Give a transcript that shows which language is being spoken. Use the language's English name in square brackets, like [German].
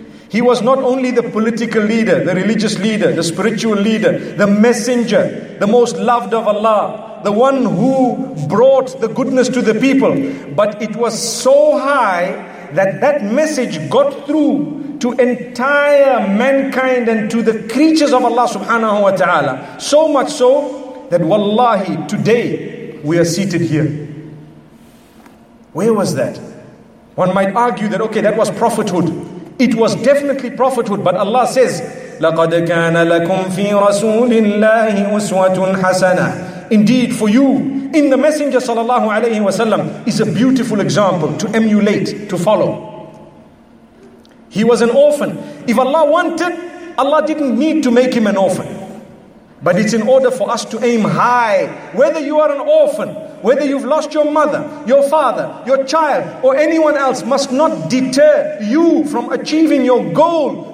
[English] He was not only the political leader, the religious leader, the spiritual leader, the messenger, the most loved of Allah, the one who brought the goodness to the people, but it was so high that that message got through to entire mankind and to the creatures of Allah subhanahu wa ta'ala. So much so that wallahi, today we are seated here. Where was that? One might argue that, okay, that was prophethood. It was definitely prophethood, but Allah says, [Arabic] لَقَدْ كَانَ لَكُمْ فِي رَسُولِ اللَّهِ أُسْوَةٌ حَسَنَةٌ. [English] Indeed, for you, in the Messenger sallallahu alayhi wa sallam, is a beautiful example to emulate, to follow. He was an orphan. If Allah wanted, Allah didn't need to make him an orphan. But it's in order for us to aim high. Whether you are an orphan, whether you've lost your mother, your father, your child, or anyone else, must not deter you from achieving your goal.